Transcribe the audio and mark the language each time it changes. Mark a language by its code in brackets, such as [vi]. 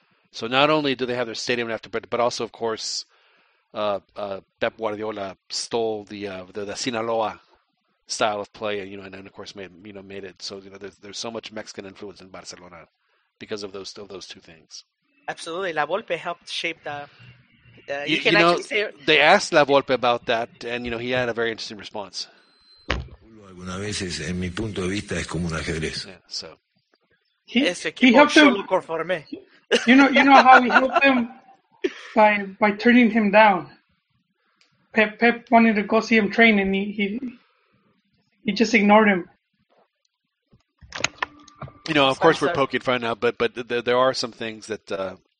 [en] So not only do they have their stadium after, but also, of course, Pep Guardiola stole the Sinaloa style of play, you know, and then of course made it. So you know, there's so much Mexican influence in Barcelona because of those two things. Absolutely, La Volpe helped shape the. They asked La Volpe about that, and you know, he had a very interesting response. [es] Alguna veces, en mi punto de vista, es como un ajedrez. [en] Yeah, so he helped him. [es] Conforme. [en] You know how he helped him by turning him down. Pep wanted to go see him train, and he just ignored him. You know, of course, we're poking fun now, but there are some things that.